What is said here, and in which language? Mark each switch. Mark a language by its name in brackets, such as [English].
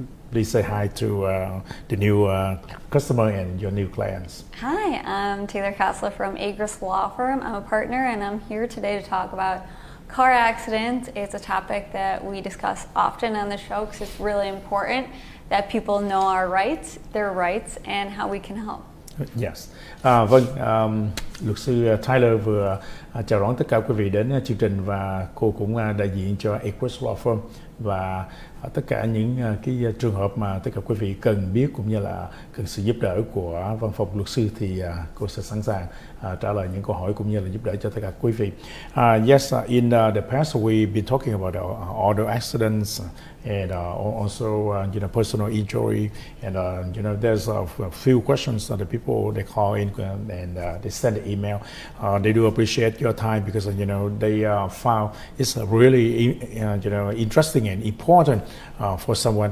[English] Please say hi to the new customer and your new clients. Hi, I'm Taylor Kosla from Agris Law Firm. I'm a partner and I'm here today to talk about car accidents. It's a topic that we discuss often on the show because it's really important that people know our rights, their rights, and how we can help. Yes. [Vietnamese] Vâng, luật sư Taylor vừa chào đón tất cả quý vị đến chương trình và cô cũng đại diện cho Equus Law Firm và tất cả những cái trường hợp mà tất cả quý vị cần biết cũng như là cần sự giúp đỡ của văn phòng luật sư thì cô sẽ sẵn sàng trả lời những câu hỏi cũng như là giúp đỡ cho tất cả quý vị. [English] Yes, in the past we've been talking about auto accidents and also you know, personal injury, and you know, there's a few questions that the people they call in and they send an email. They do appreciate your time because you know they found it's really you know, interesting and important for someone.